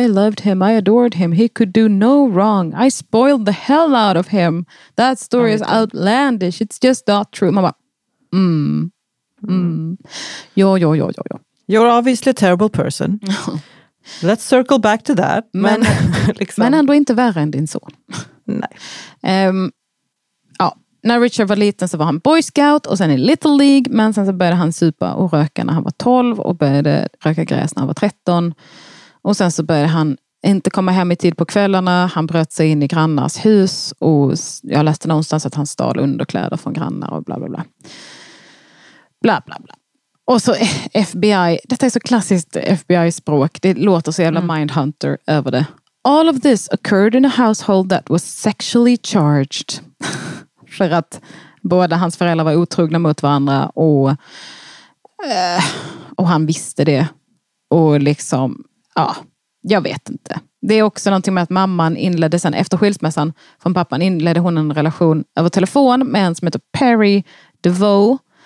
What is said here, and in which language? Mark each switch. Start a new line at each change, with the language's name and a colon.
English: I loved him, I adored him, he could do no wrong. I spoiled the hell out of him. That story is outlandish, it's just not true.
Swedish: Man bara, Mm. Mm. Jo.
English: You're obviously a terrible person. Let's circle back to that.
Swedish: Men, liksom. Men ändå inte värre än din son. Nej. Ja, när Richard var liten så var han Boy Scout och sen i Little League. Men sen så började han supa och röka när han var 12 och började röka gräs när han var 13. Och sen så började han inte komma hem i tid på kvällarna. Han bröt sig in i grannars hus och jag läste någonstans att han stal underkläder från grannar och bla bla bla. Bla bla bla. Och så FBI, detta är så klassiskt FBI-språk, det låter så jävla Mindhunter över det.
English: All of this occurred in a household that was sexually charged.
Swedish: För att båda hans föräldrar var otrogna mot varandra och han visste det. Och liksom, ja, jag vet inte. Det är också någonting med att mamman inledde sen efter skilsmässan från pappan inledde hon en relation över telefon med en som heter Perry DeVoe.